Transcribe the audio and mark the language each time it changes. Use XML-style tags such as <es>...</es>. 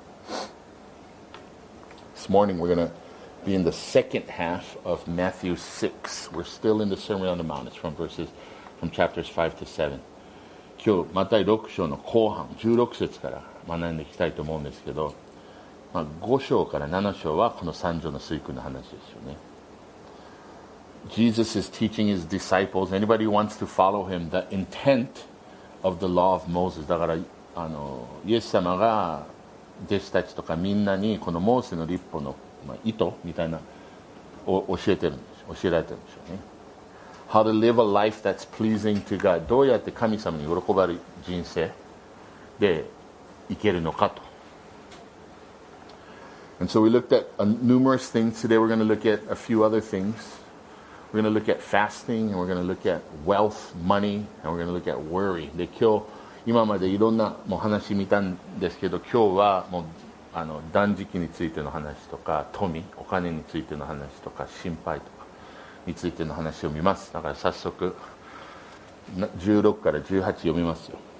<en>This morning we're going to be in the second half of Matthew 6. We're still in the Sermon on the Mount. It's from chapters 5 to 7.</en> <ja>今日マタイ6章の後半16節から学んでいきたいと思うんですけど、まあ、5章から7章はこの三条の水訓の話ですよね。</ja> <en>Jesus is teaching his disciples, anybody who wants to follow him, the intent of the law of Moses.</en> <ja>だからイエス様が弟子たちとかみんなにこのモーセの律法の、まあ、意図みたいなを教えてるんです、教えられてるんでしょうね。</ja> <en>How to live a life that's pleasing to God、</en> <ja>どうやって神様に喜ばれる人生でいけるのかと。</ja> <en>And so we looked at numerous things. Today we're going to look at a few other things. We're going to look at fasting, and we're going to look at wealth, money, and we're going to look at worry.</en> <ja>で今日今までいろんなもう話見たんですけど、今日はもう断食についての話とか、富、お金についての話とか、心配とかについての話を見ます。だから早速16から18読みますよ。</ja>